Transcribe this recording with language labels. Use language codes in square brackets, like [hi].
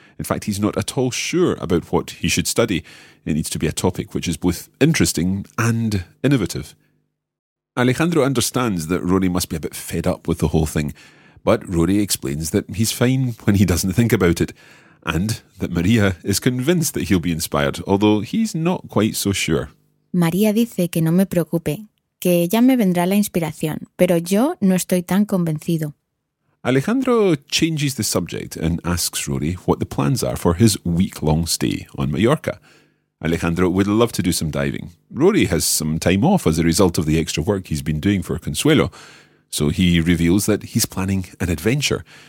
[en] In fact, he's not at all sure about what he should study. It needs to be a topic which is both interesting and innovative. Alejandro understands that Rory must be a bit fed up with the whole thing, but Rory explains that he's fine when he doesn't think about it, and that Maria is convinced that he'll be inspired, although he's not quite so sure. [es] Maria dice que no me preocupe, que ya me vendrá la inspiración, pero yo no estoy tan convencido. [en] Alejandro changes the subject and asks Rory what the plans are for his week-long stay on Mallorca. Alejandro would love to do some diving. Rory has some time off as a result of the extra work he's been doing for Consuelo, so he reveals that he's planning an adventure.